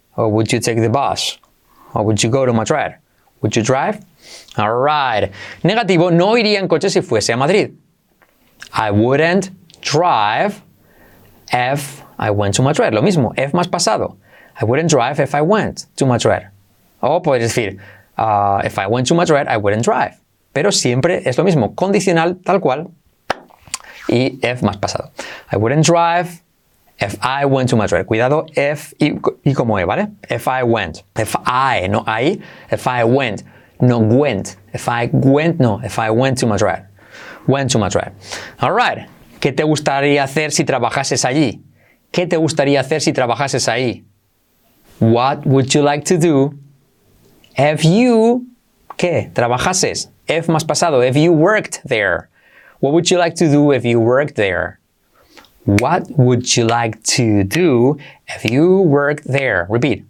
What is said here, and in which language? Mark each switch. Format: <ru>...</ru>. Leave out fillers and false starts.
<en>Or would you take the bus? Or would you go to Madrid? Would you drive? All right.</en> <es>Negativo, no iría en coche si fuese a Madrid.</es> <en>I wouldn't drive if I went to Madrid.</en> <es>Lo mismo,</es> <en>if más pasado. I wouldn't drive if I went to Madrid.</en> <es>O puedes decir,</es> <en>if I went to Madrid, I wouldn't drive.</en> <es>Pero siempre es lo mismo, condicional, tal cual, y if más pasado.</es> <en>I wouldn't drive if I went to Madrid.</en> <es>Cuidado, if y como E, ¿vale?</es> <en>If I went. If I,</en> <es>no I.</es> <en>If I went, no went. If I went, no. If I went to Madrid. Went to Madrid. All right.</en> <es>¿Qué te gustaría hacer si trabajases allí? ¿Qué te gustaría hacer si trabajases ahí?</es> <en>What would you like to do if you,</en> <es>¿qué? Trabajases.</es> <en>If más pasado. If you worked there. What would you like to do if you worked there? What would you like to do if you worked there? Repeat.</en>